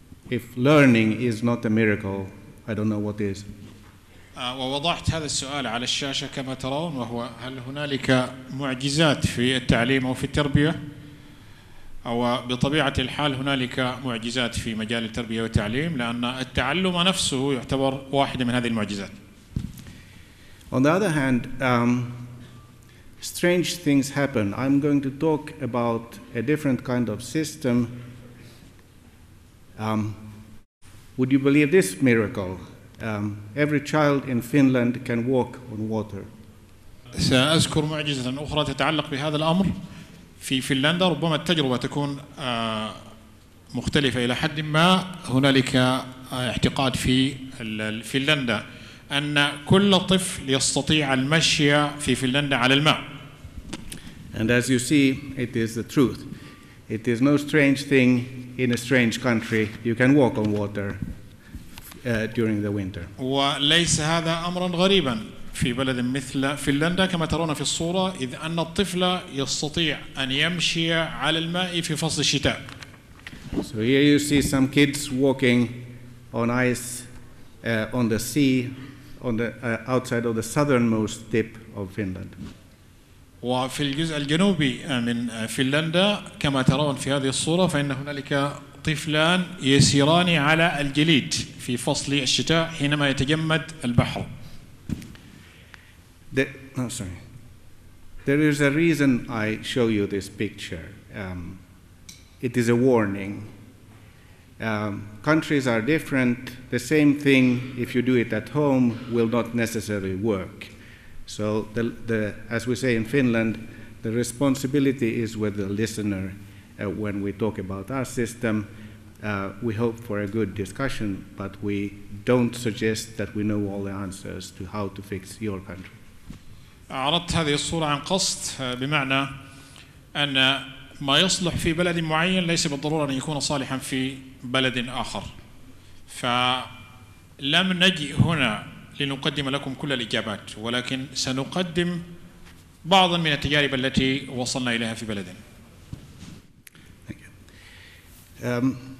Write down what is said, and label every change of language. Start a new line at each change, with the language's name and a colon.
English: If learning is not a miracle, I don't know what is.
Arabic: ووضعت هذا السؤال على الشاشة كما ترون، وهو هل هنالك معجزات في التعليم أو في التربية؟ أو بطبيعة الحال هنالك معجزات في مجال التربية والتعليم، لأن التعلم نفسه يعتبر واحدة من هذه المعجزات.
English: On the other hand, strange things happen. I'm going to talk about a different kind of system. Would you believe this miracle? Every child in Finland can walk on water.
Arabic: سأذكر معجزة أخرى تتعلق بهذا الأمر. في فنلندا ربما التجربة تكون مختلفة إلى حد ما. هنالك اعتقاد في فنلندا أن كل طفل يستطيع المشي في فنلندا على الماء.
English: And as you see, it is the truth. It is no strange thing in a strange country. You can walk on water during the winter.
Arabic: وليس هذا أمرا غريبا في بلد مثل فنلندا كما ترون في الصورة، إذ أن الطفل يستطيع أن يمشي على الماء في فصل الشتاء.
English: So here you see some kids walking on ice on the sea on the outside of the southernmost tip of Finland.
Arabic: وفي الجزء الجنوبي من فنلندا كما ترون في هذه الصورة فإن هنالك طفلان يسيران على الجليد في فصل الشتاء حينما يتجمد البحر.
English: There is a reason I show you this picture. It is a warning. Countries are different. The same thing, if you do it at home, will not necessarily work. So, as we say in Finland, the responsibility is with the listener when we talk about our system. We hope for a good discussion, but we don't suggest that we know all the answers to how to fix your country.
Arabic: عرضت هذه الصورة عن قصد بمعنى أن ما يصلح في بلد معين ليس بالضرورة أن يكون صالحا في بلد آخر. فلم نجئ هنا لنقدم لكم كل الإجابات، ولكن سنقدم بعضا من التجارب التي وصلنا إليها في بلدنا.